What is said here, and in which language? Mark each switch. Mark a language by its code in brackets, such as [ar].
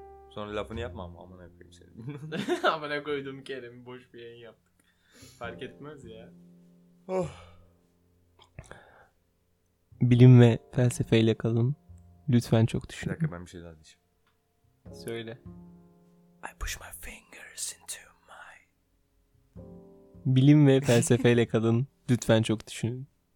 [tr] Sonra lafını yapma ama amına koyayım seni. Amına koyduğum Kerem, boş bir yayın yaptık. Fark etmez ya. Bilim ve felsefeyle kalın. Lütfen çok düşünün. Bir dakika, ben bir şey daha diyeceğim. Söyle. [en] I push my fingers into my... [tr] Bilim ve felsefeyle kalın. Lütfen çok düşünün.